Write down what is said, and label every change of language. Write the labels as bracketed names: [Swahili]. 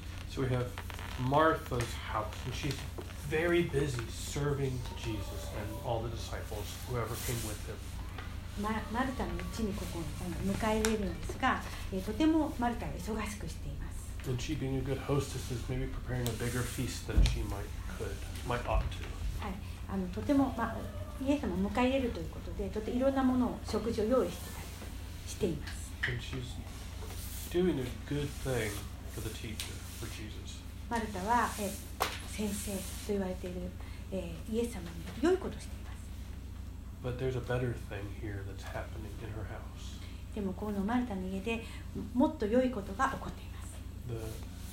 [English] So we have Martha's house, and she's very busy serving Jesus and all the disciples, whoever came with him. [Japanese] Martha の家にここに迎え入れるんですが、とてもマルタは忙しくしています。 [English] And she being a good hostess is maybe preparing a bigger feast than she might ought to. [Japanese] はい、とても、イエス様を迎え入れるということで、とてもいろんなものを食事を用意してたりしています。 [English] And she's doing a good thing for the teacher. For Jesus. [Japanese] マルタは、先生と言われている、イエス様に良いことをしています。 [English] But there's a better thing here that's happening in her house. [Japanese] でもこのマルタの家でもっと良いことが起こっています。